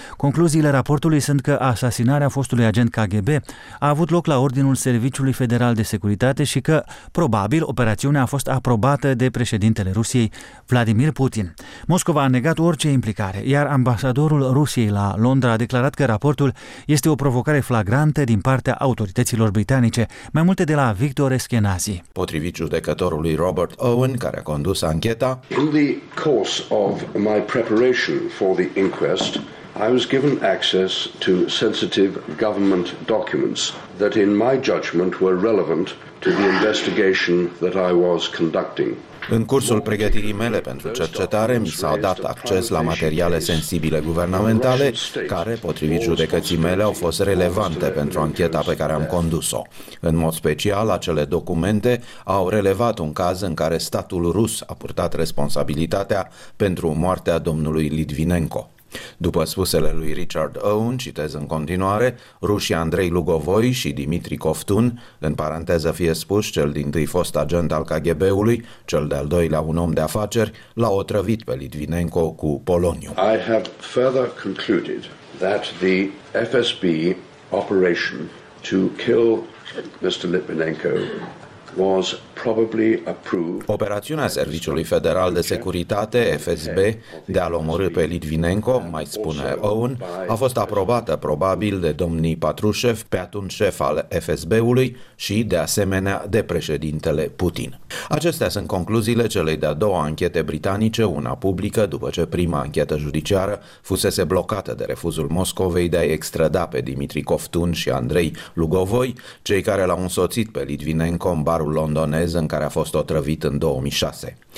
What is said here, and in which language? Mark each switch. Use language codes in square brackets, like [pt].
[ro] Concluziile raportului sunt că asasinarea fostului agent KGB a avut loc la ordinul Serviciului Federal de Securitate și că, probabil, operațiunea a fost aprobată de președintele Rusiei, Vladimir Putin. Moscova a negat orice implicare, iar ambasadorul Rusiei la Londra a declarat că raportul este o provocare flagrantă din partea autorităților britanice, mai multe de la Victor Eschenazi. Potrivit judecătorului Robert Owen, care a condus ancheta, [en] in the course of my preparation for the inquest, I was given access to sensitive government documents that in my judgment were relevant to the investigation that I was conducting. [ro] În cursul pregătirii mele pentru cercetare, mi s-a dat acces la materiale sensibile guvernamentale care, potrivit judecății mele, au fost relevante pentru ancheta pe care am condus-o. În mod special, acele documente au relevat un caz în care statul rus a purtat responsabilitatea pentru moartea domnului Litvinenko. După spusele lui Richard Owen, citez în continuare, rușii Andrei Lugovoi și Dimitri Coftun, în paranteză fie spus, cel dintâi fost agent al KGB-ului, cel de-al doilea un om de afaceri, l-au otrăvit pe Litvinenko cu poloniu. [en] I have further concluded that the FSB operation to kill Mr. Litvinenko was probably approved. [ro] Operațiunea Serviciului Federal de Securitate, FSB, de a-l omorî pe Litvinenko, mai spune Owen, a fost aprobată probabil de domnii Patrușev, pe atunci șef al FSB-ului, și de asemenea de președintele Putin. Acestea sunt concluziile celei de-a doua anchete britanice, una publică, după ce prima anchetă judiciară fusese blocată de refuzul Moscovei de a-i extrada pe Dimitri Coftun și Andrei Lugovoi, cei care l-au însoțit pe Litvinenko în barul londonez în care a fost otrăvit în 2006.